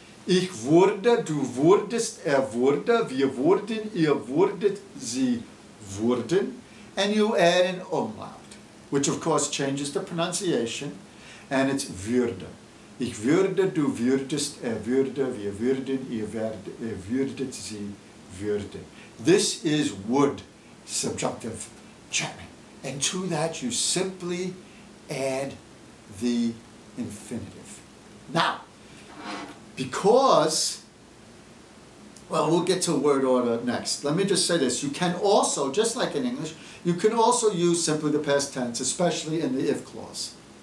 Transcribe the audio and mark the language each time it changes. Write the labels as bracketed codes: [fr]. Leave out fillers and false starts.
[de] Ich wurde, du wurdest, wurde, wir wurden, ihr wurdet, sie wurden. [en] And you add an umlaut, which of course changes the pronunciation, and it's würde. [de] Ich würde, du würdest, würde, wir würden, ihr werdet, würdet, sie würden. [en] This is would subjunctive German. And to that you simply add the infinitive. Now, because, well, we'll get to word order next. Let me just say this. You can also, just like in English, you can also use simply the past tense, especially in the if clause.